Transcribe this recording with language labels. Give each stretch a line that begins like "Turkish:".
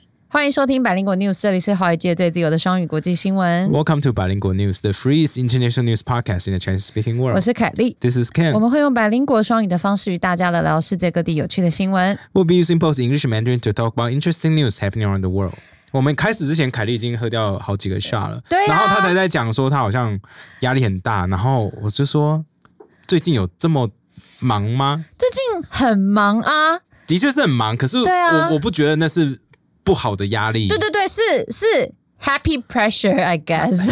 Chinese: 欢迎收听百灵果 news， 这里是华语界最自由的双语国际新闻。
English: Welcome to 百灵果 news， the freest international news podcast in the Chinese speaking world。
Chinese: 我是凯莉
English: ，This is Ken。
Chinese: 我们会用百灵果双语的方式与大家聊聊世界各地有趣的新闻。
English: We'll be using both English and Mandarin to talk about interesting news happening around the world。
Chinese: 我们开始之前，凯莉已经喝掉好几个 shot 了，对啊，然后她才在讲说她好像压力很大，然后我就说最近有这么忙吗？最近很忙啊，的确是很忙，可是对啊，我不觉得那是。不好的压力，对对对，是
English: happy pressure I guess